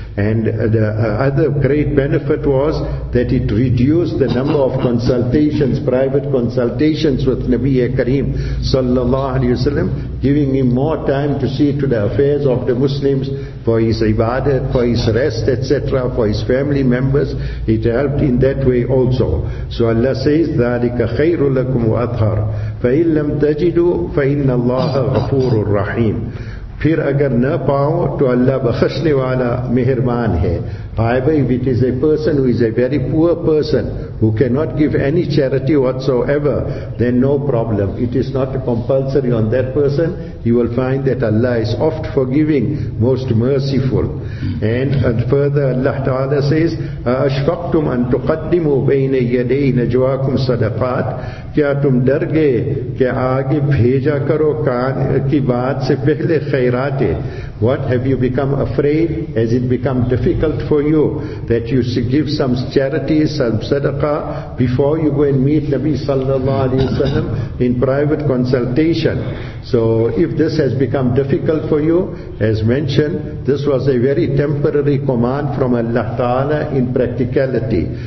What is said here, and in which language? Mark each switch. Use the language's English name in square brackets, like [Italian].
[English] And the other great benefit was that it reduced the number of consultations, private consultations with Nabi Kareem sallallahu alayhi wa sallam, giving him more time to see to the affairs of the Muslims, for his ibadah, for his rest, etc., for his family members. It helped in that way also. So Allah says, [Arabic] ذَلِكَ خَيْرُ لَكُمْ وَأَثْهَرُ فَإِنْ لَمْ تَجِدُوا فَإِنَّ اللَّهَ غَفُورٌ رَحِيمٌ. [Urdu] Phir agar na paon to Allah bakhshne wala meherban hai. [English] However, if it is a person who is a very poor person who cannot give any charity whatsoever, then no problem. It is not compulsory on that person. He will find that Allah is oft forgiving, most merciful. And further, Allah Ta'ala says, [Arabic] أَأَشْفَقْتُمْ أَن تُقَدِّمُوا بَيْنَ يَدَيْ نَجْوَاكُمْ صَدَقَاتِ. [Urdu] کیا تم ڈر گئے کہ آگے بھیجا کرو کان کی بات سے پہلے خیراتے. [English] What, have you become afraid? Has it become difficult for you that you should give some charity, some sadaqah, before you go and meet Nabi sallallahu alayhi wa sallam in private consultation? So if this has become difficult for you, as mentioned, this was a very temporary command from Allah Ta'ala in practicality.